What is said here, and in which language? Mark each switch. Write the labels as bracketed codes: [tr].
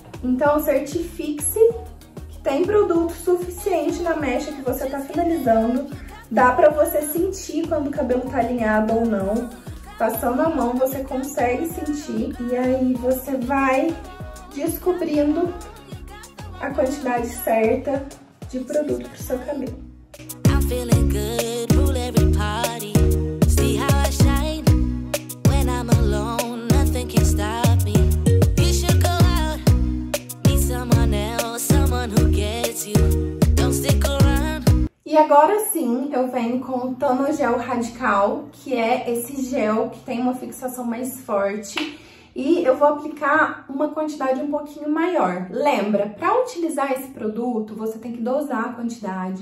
[pt] Então, certifique-se que tem produto suficiente na mecha que você tá finalizando. Dá pra você sentir quando o cabelo tá alinhado ou não. Passando a mão, você consegue sentir. E aí, você vai descobrindo a quantidade certa de produto pro seu cabelo. [en] I'm feeling good, rule every party. See how I shine when I'm alone. Nothing can stop me. You should go out, meet someone else, someone who gets you. Don't stick around. [pt] E agora sim, eu venho com o Tono Gel Radical, que é esse gel que tem uma fixação mais forte. E eu vou aplicar uma quantidade um pouquinho maior. Lembra, para utilizar esse produto, você tem que dosar a quantidade.